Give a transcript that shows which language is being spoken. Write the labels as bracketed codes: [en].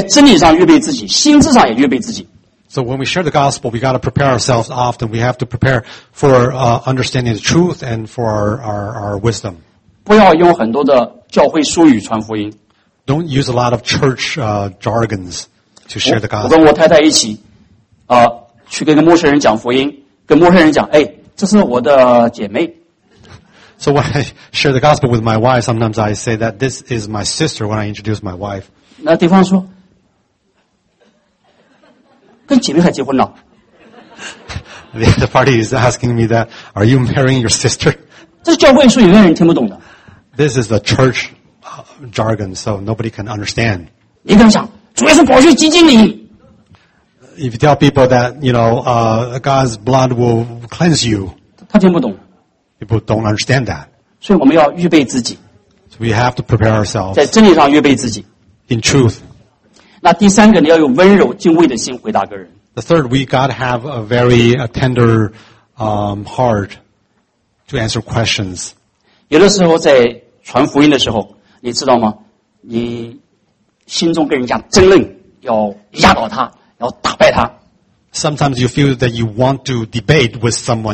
[zh] 所以我们传福音的时候，求主要给我们常常预备自己的心，在真理上预备自己，心智上也预备自己。 [en] So when we share the gospel, we got to prepare ourselves often. We have to prepare for understanding the truth and for our wisdom. [zh] 不要用很多的教会术语传福音。 [en] Don't use a lot of church jargons to share the gospel. [zh] 我跟我太太一起，去跟个陌生人讲福音，跟陌生人讲，哎，这是我的姐妹。 [en] So when I share the gospel with my wife, sometimes I say that this is my sister when I introduce my wife. [zh] 那对方说，跟姐妹还结婚了。 [en] The other party is asking me that, are you marrying your sister? [zh] 这是教会术语，没有人听不懂的。 [en] This is the church jargon, so nobody can understand. [zh] 你跟他讲，主耶稣宝血洁净你。 [en] If you tell people that, you know, God's blood will cleanse you. [zh] 他听不懂。 [en] People don't understand that. [zh] 所以我们要预备自己。 [en] So we have to prepare ourselves. [zh] 在真理上预备自己。 [en] In truth. [zh] 那第三个，你要有温柔敬畏的心回答个人。 [en] The third, we gotta have a very tender heart to answer questions. [zh] 有的时候在传福音的时候，你知道吗？你心中跟人家争论，要压倒他，要打败他。 [en] Sometimes you feel that you want to debate with someone.